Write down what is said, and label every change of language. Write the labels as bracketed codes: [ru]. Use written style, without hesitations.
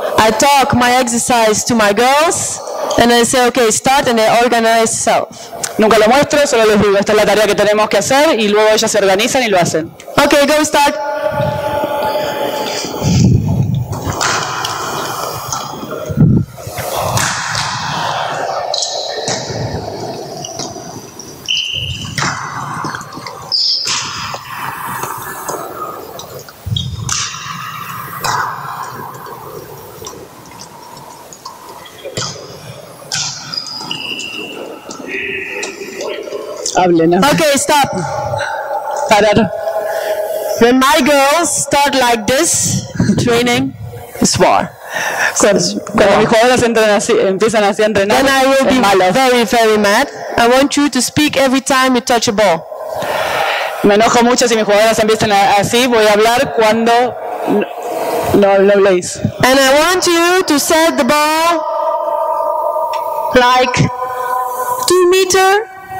[en] I talk my exercise to my girls, and I say, okay, start, and they organize self. [es] Nunca lo muestro, solo les digo, esta es la tarea que tenemos que hacer, y luego ellas se organizan y lo hacen. [en] Okay, go start. Okay, stop. [es] Parar. [en] When my girls start like this training, it's war. [es] Cuando mis jugadoras empiezan así a entrenar, [en] then I will be very, very mad. I want you to speak every time you touch a ball. [es] Me enojo mucho si mis jugadoras empiezan así. Voy a hablar cuando no habléis. [en] And I want you to set the ball like 2 meter.